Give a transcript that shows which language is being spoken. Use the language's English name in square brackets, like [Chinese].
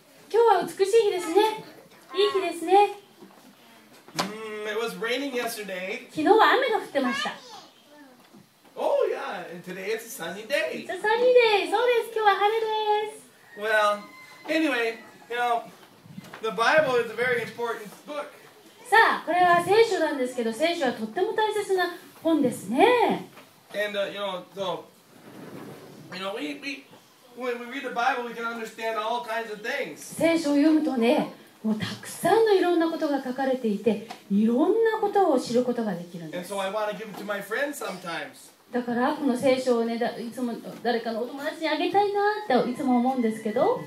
[Japanese] 今日は美しい日ですね。いい日ですね。 [English] It was raining yesterday. [Japanese] 昨日は雨が降ってました。 [English] Oh yeah, and today it's a sunny day. It's a sunny day. [Japanese] そうです。今日は晴れです。 [English] Well, anyway, you know, the Bible is a very important book. [Japanese] さあ、これは聖書なんですけど、聖書はとっても大切な本ですね。 [English] And, you know, so... You know, when we read the Bible, we can understand all kinds of things. [Japanese] 聖書を読むとね、もうたくさんのいろんなことが書かれていて、いろんなことを知ることができるんです。 [English] And so I want to give it to my friends sometimes. [Japanese] だからこの聖書をね、いつも誰かのお友達にあげたいなっていつも思うんですけど。